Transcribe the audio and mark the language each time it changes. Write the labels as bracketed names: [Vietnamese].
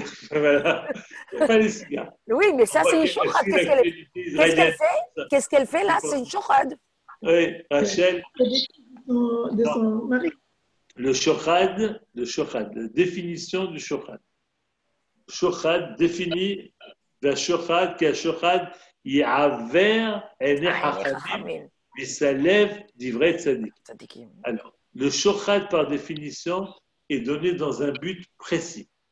[French] Voilà. Il n'y a pas les cigares. Oui, mais ça, c'est une chokhade. Qu'est-ce qu'elle fait? Qu'est-ce qu'elle fait là? C'est une chokhade. Oui, Rachel. De son mari. Le chokhade. La définition du chokhade. Chokhade définit. [Hebrew] והשוחד כי השוחד יעבר עיני חכמים ויסלב דברי צדיקים. [French] Alors, le chokhad par définition est donné dans un but précis.